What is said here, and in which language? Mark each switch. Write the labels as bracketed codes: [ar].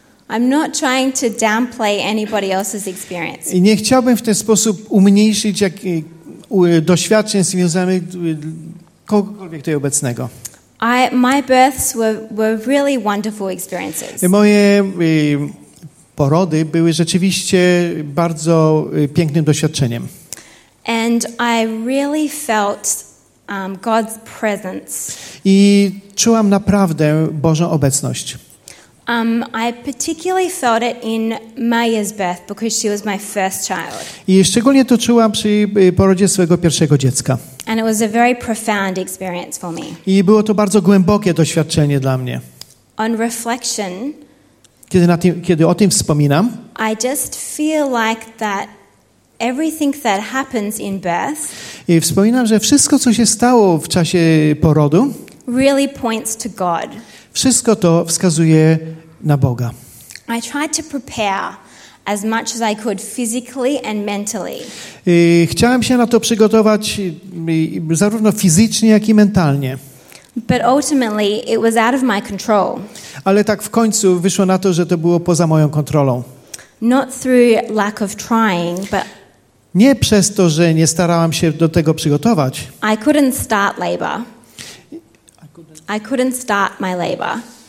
[en] I'm not trying to downplay anybody else's experience. [pl] Nie chciałbym w ten sposób umniejszyć doświadczeń związanych kogokolwiek tutaj obecnego. [en] My births were really wonderful experiences. [pl] Moje porody były rzeczywiście bardzo pięknym doświadczeniem. [en] And I really felt God's presence. [pl] I czułam naprawdę Bożą obecność. [en] I particularly felt it in Maya's birth because she was my first child. [pl] I szczególnie to czułam przy porodzie swojego pierwszego dziecka. [en] And it was a very profound experience for me. [pl] I było to bardzo głębokie doświadczenie dla mnie. [en] On reflection, [pl] kiedy o tym wspominam, [en] I just feel like that everything that happens in birth. [pl] I wspominam, że wszystko, co się stało w czasie porodu, [en] really points to God. [pl] Wszystko to wskazuje na Boga. [en] I tried to prepare as much as I could physically and mentally. [pl] I chciałem się na to przygotować zarówno fizycznie, jak i mentalnie. [en] But ultimately, it was out of my control. [pl] Ale tak w końcu wyszło na to, że to było poza moją kontrolą. [en] Not through lack of trying, but [pl] nie przez to, że nie starałam się do tego przygotować. [en] I couldn't start labor. I couldn't start my labor.